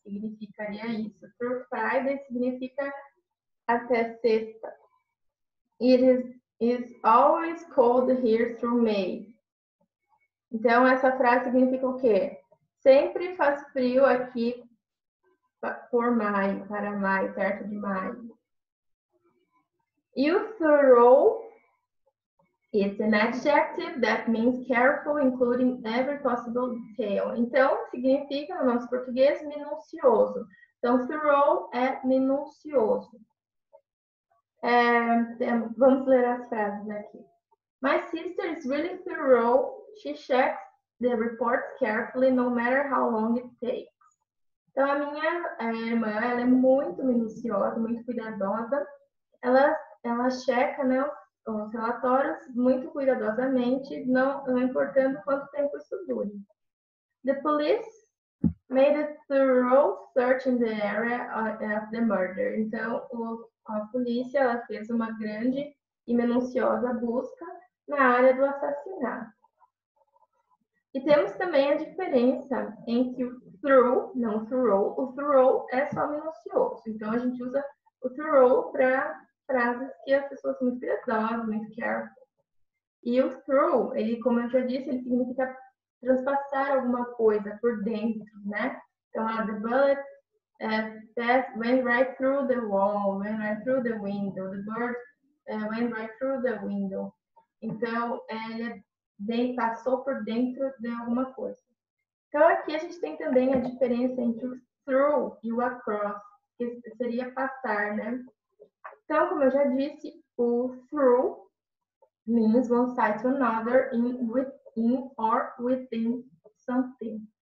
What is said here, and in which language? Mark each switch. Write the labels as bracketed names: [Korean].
[Portuguese] Significaria isso. Through Friday significa até sexta. [English] It's always cold here through May. [Portuguese] Então, essa frase significa o quê? Sempre faz frio aqui por maio, para maio, perto de maio. [English] You throw is an adjective that means careful, including every possible detail. [Portuguese] Então, significa no nosso português minucioso. Então, throw é minucioso. Vamos ler as frases aqui. [English] My sister is really thorough. She checks the reports carefully, no matter how long it takes. [Portuguese] Então, a minha irmã, ela é muito minuciosa, muito cuidadosa. Ela checa, né, os relatórios muito cuidadosamente, não importando quanto tempo isso dure. [English] The police made a thorough search in the area of the murder. [Portuguese] Então, a polícia ela fez uma grande e minuciosa busca na área do assassinato. E temos também a diferença entre o thorough, não thorough. O thorough é só minucioso. Então, a gente usa o thorough para frases que as pessoas são muito cuidadosas, muito careful. E o through, ele, como eu já disse, ele significa transpassar alguma coisa por dentro, né? [English] Então, the bullet went right through the wall, went right through the window. The bird went right through the window. [Portuguese] Então, ele passou por dentro de alguma coisa. Então, aqui a gente tem também a diferença entre o through e o across, que seria passar, né? Então, como eu já disse, o [English] through means one side to another in or within something.